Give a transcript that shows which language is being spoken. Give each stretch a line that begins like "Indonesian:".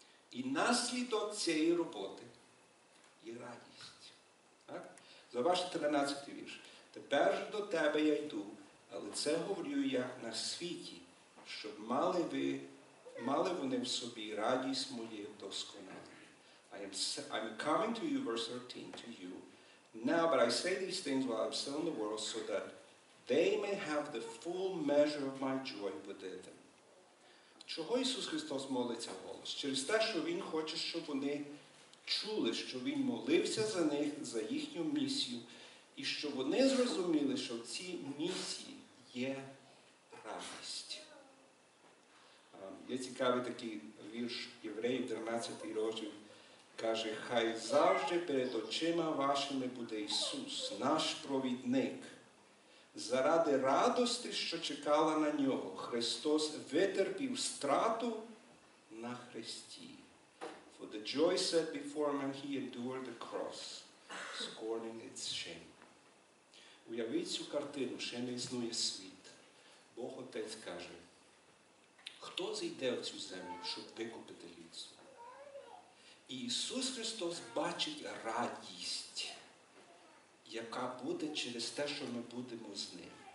Ukrainian: І наслідок цієї роботи є радість. Так? За ваш 13-й вірш. Тепер ж до тебе я йду, але це говорю я на світі, щоб мали вони в собі радість моє досконалу.
English: I'm coming to you, verse 13, to you. Now, but I say these things while I'm still in the world, so that they may have the full measure of my joy within them.
Ukrainian: Чого Ісус Христос молиться голос? Через те, що Він хоче, щоб вони чули, що Він молився за них, за їхню місію, і щоб вони зрозуміли, що в цій місії є радість. Є цікавий такий вірш Євреїв, 13 розділ, каже, хай завжди перед очима вашими буде Ісус, наш провідник, заради радості, що чекала на нього, Христос витерпів страту на хресті.
English: For the joy set before him, he endured the cross, scorning its shame.
Ukrainian: Уявіть цю картину, ще не існує світ. Бог Отець каже, хто зійде в цю землю, щоб викупити людство? І Ісус Христос бачить радість, яка буде через те, що ми будемо з Ним.